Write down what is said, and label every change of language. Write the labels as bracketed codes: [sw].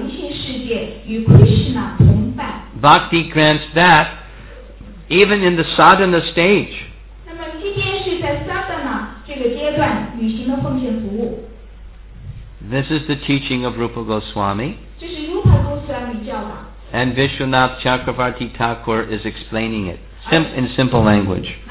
[zh] 那么会最终的使人进入到灵性世界，与Krishna同伴. [en] Bhakti grants that, even in the sadhana stage. [zh] 那么今天是在sadhana这个阶段履行的奉献服务. [en] This is the teaching of Rupa Goswami. [zh] 这是Rupa Goswami教导. [en] And Vishwanath Chakravarti Thakur is explaining it in simple language.